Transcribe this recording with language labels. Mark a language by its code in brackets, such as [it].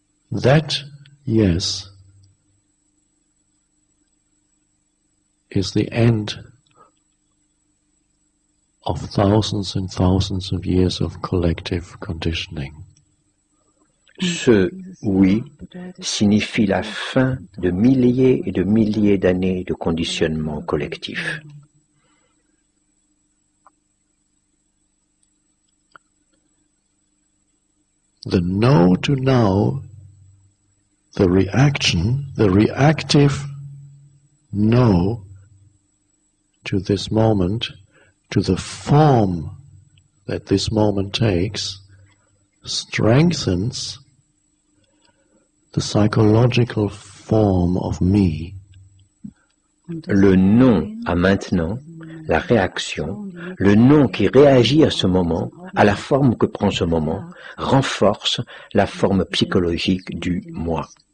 [en] That yes is the end of thousands and thousands of years of collective conditioning. [fr] Ce oui signifie la fin de milliers et de milliers d'années de conditionnement collectif. [en] The no to now, the reaction, the reactive no to this moment, to the form that this moment takes, strengthens the psychological form of me. [fr] Le non à maintenant, la réaction, le non qui réagit à ce moment, à la forme que prend ce moment, renforce la forme psychologique du moi.